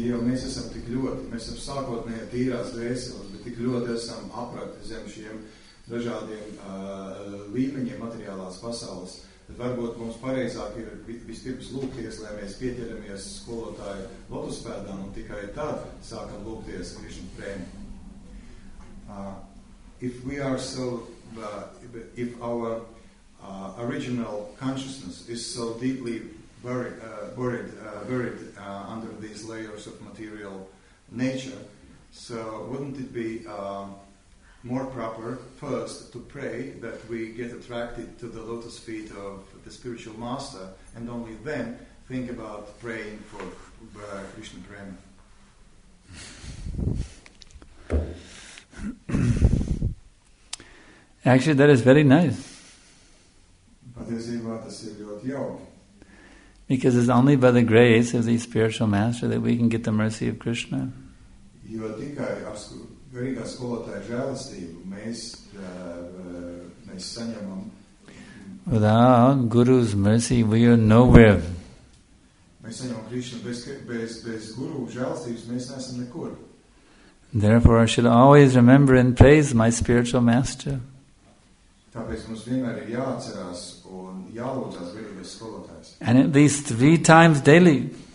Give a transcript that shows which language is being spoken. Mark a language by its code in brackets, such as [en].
[lv] Mēs esam sākotnējā tīrās dvēseles, bet tik ļoti esam aprakti zem šiem dažādiem līmeņiem materiālās pasaules. Tad varbūt mums pareizāk ir vispirms lūgties, lai mēs pieķeramies skolotāju lotuspēdām un tikai tad sākam lūgties Krishna prēmu. [en] If our original consciousness is so deeply buried under these layers of material nature, so wouldn't it be more proper first to pray that we get attracted to the lotus feet of the spiritual master and only then think about praying for Krishna prema? Actually, that is very nice. [lv] Patiesībā tas ir ļoti jauki. [en] Because it's only by the grace of the spiritual master that we can get the mercy of Krishna. [lv] Jo tikai ar garīgā skolotāja žēlastību mēs saņemam [en] Without Guru's mercy, we are nowhere. [lv] Mēs saņemam Krišna bez Guru žēlstības, mēs neesam nekur. [en] Therefore, I should always remember and praise my spiritual master. [lv] Tāpēc mums vienmēr ir jāatcerās un jālūdzās Guru skolotājs. [en] And at least three times daily.